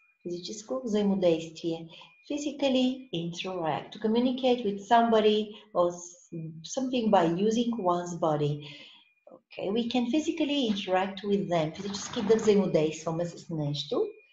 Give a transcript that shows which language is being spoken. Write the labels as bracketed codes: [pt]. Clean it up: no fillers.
[bg] Физическо взаимодействие. [en] Physically interact. To communicate with somebody or something by using one's body. Okay. We can physically interact with them. [bg] Физически да взаимодействаме с нещо.